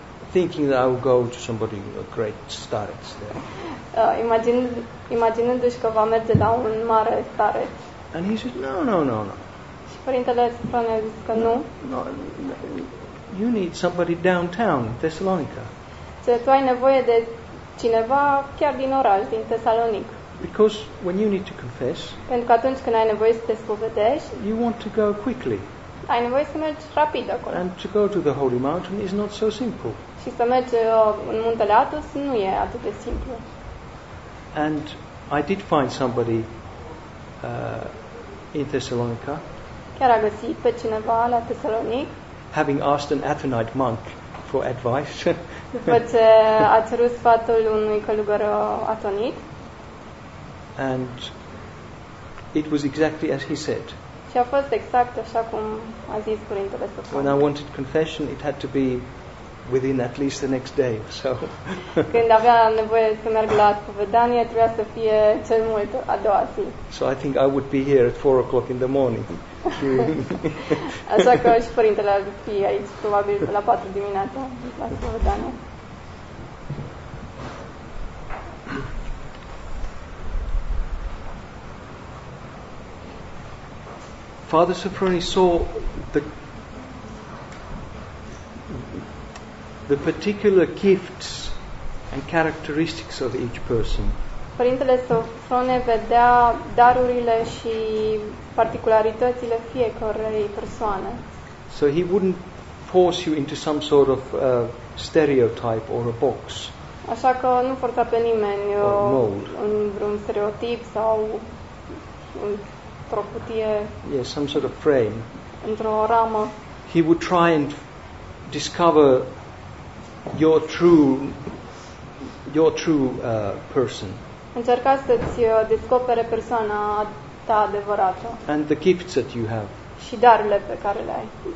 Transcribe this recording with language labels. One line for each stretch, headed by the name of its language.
English: Thinking that I would go to somebody with a great starets there.
Romanian: Imaginându-și că va merge la un mare stareț.
English: And he said, no.
Romanian: Și părintele Sofronie a zis că nu.
English: No, you need somebody downtown in Thessalonica.
Romanian: Ce, tu ai nevoie de cineva chiar din oraș, din Tesalonic.
English: Because when you need to confess,
Romanian: pentru că atunci când ai nevoie să te spovedești,
English: you want to go quickly.
Romanian: Ai nevoie să mergi rapid acolo.
English: And to go to the holy mountain is not so simple.
Romanian: Și să mergi în Muntele Athos nu e atât de simplu.
English: And I did find somebody in Thessalonica.
Romanian: Chiar a găsit pe cineva la Tesalonic.
English: Having asked an Athenite monk for advice.
Romanian: După ce a cerut sfatul unui călugăr atonit.
English: And it was exactly as he said.
Romanian: Și a fost exact așa cum a zis părintele să facă.
English: When I wanted confession, it had to be within at least the next day. So.
Romanian: Când avea nevoie să merg la spovedanie, trebuia să fie cel mult a doua zi.
English: So I think I would be here at 4 o'clock in the morning.
Romanian: Așa că și părintele ar fi aici probabil la 4 dimineața la spovedanie.
English: Father Sofroni saw the particular gifts and characteristics of each person.
Romanian: Părintele Sofrone vedea darurile și particularitățile fiecărei persoane.
English: So he wouldn't force you into some sort of stereotype or a box.
Romanian: Așa că nu forța pe nimeni în vreun stereotip sau într-o cutie.
English: Yes, some sort of frame.
Romanian: Într-o ramă.
English: He would try and discover your true person.
Romanian: Încerca să-ți descopere persoana ta adevărată.
English: And the gifts that you have.
Romanian: Și darurile pe care le ai.